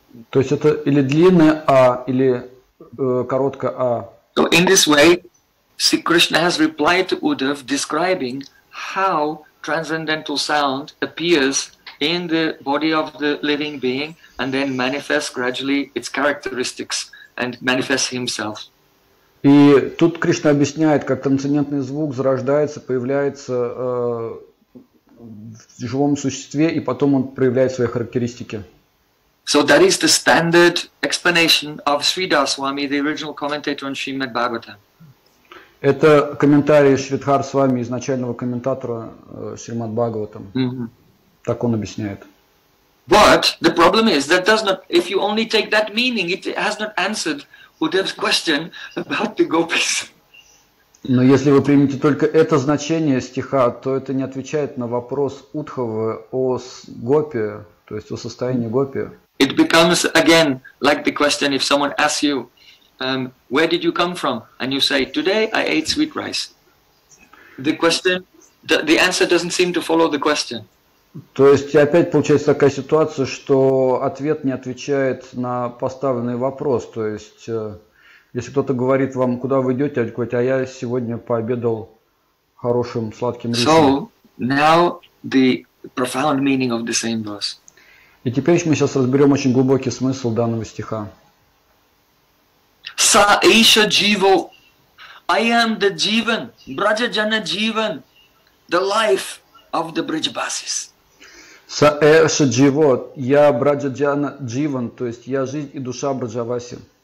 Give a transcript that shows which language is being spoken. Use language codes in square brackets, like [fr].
[ru] То есть это или длинное а, или короткое а. [en] So in this way, see, Krishna has replied to Uddhav, describing how transcendental sound appears in the body of the living being and then manifests gradually its characteristics and manifests himself. [ru] И тут Кришна объясняет, как трансцендентный звук зарождается, появляется в живом существе, и потом он проявляет свои характеристики. [en] So that is the standard explanation of Sridhar Swami, the original commentator on Srimad Bhagavatam. [ru] Это комментарий Шридхар Свами, изначального комментатора Шримад Бхагаватам. Так он объясняет. [en] But the problem is that does not, if you only take that meaning, it has not answered Uddhav's question about the gopis. [ru] Но если вы примете только это значение стиха, то это не отвечает на вопрос Удхавы о гопе, то есть о состоянии гопи. [en] It becomes again like the question if someone asks you, where did you come from? And you say, today I ate sweet rice. The question, the answer doesn't seem to follow the question. [ru] То есть опять получается такая ситуация, что ответ не отвечает на поставленный вопрос. То есть если кто-то говорит вам, куда вы идете, вы говорите, а я сегодня пообедал хорошим сладким рисом. [en] So now the profound meaning of the same verse. [ru] И теперь мы сейчас разберем очень глубокий смысл данного стиха. [sa] Са иша дживо, [en] I am the jivan, [sa] braja jana jivan, [en] the life of the brijabasis. [sa] Са иша дживо, [ru] я [sa] браджа джана дживан, [ru] то есть я жизнь и душа браджаваси.